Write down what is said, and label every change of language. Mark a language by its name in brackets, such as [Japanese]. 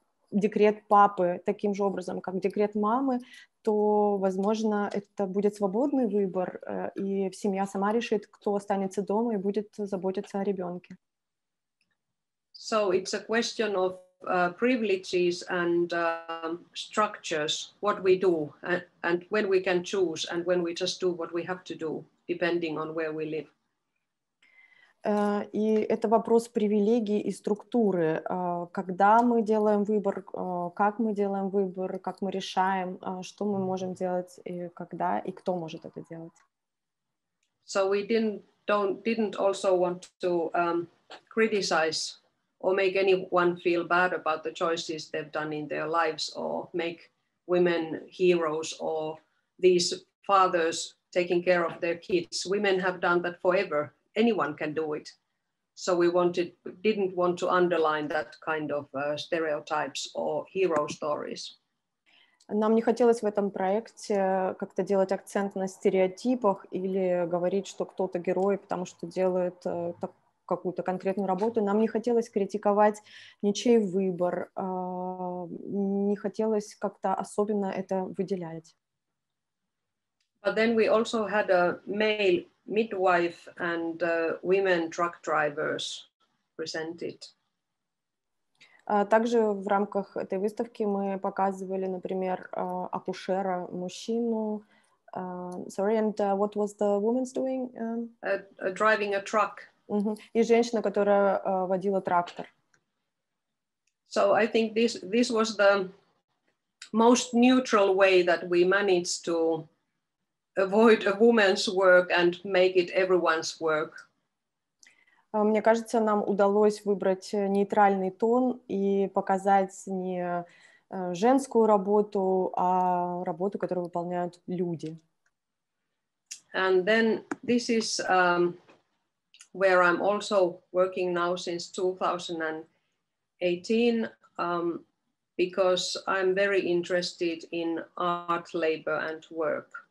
[Russian] декрет папы таким же образом, как декрет мамы, то, возможно, это будет свободный выбор, и семья сама решит, кто останется дома и будет заботиться о ребенке. [English] So it's a question of privileges and structures, what we do, and when we can choose, and when we just do what we have to do, depending on where we live. [Russian] И это вопрос привилегий и структуры. Когда мы делаем выбор, как мы делаем выбор, как мы решаем, что мы можем делать, и когда, и кто может это делать. [English] So we didn't also want to criticize or make anyone feel bad about the choices they've done in their lives or make women heroes or these fathers taking care of their kids. Women have done that forever. Anyone can do it. So we didn't want to underline that kind of stereotypes or hero stories. [Russian] Нам не хотелось в этом проекте как-то делать акцент на стереотипах или говорить, что кто-то герой, потому что делает какую-то конкретную работу. Нам не хотелось критиковать ничей выбор. Не хотелось как-то особенно это выделять. [English] But then we also had a male midwife and women truck drivers presented. [Russian] Также в рамках этой выставки мы показывали, например, акушера, мужчину. [English] Sorry, and what was the woman's doing? Driving a truck. [Russian] И женщина, которая водила трактор. [English] So I think this was the most neutral way that we managed to avoid a woman's work and make it everyone's work. [Russian] Мне кажется, нам удалось выбрать нейтральный тон и показать не женскую работу, а работу, которую выполняют люди. [English] And then this is where I'm also working now since 2018, because I'm very interested in art, labor and work.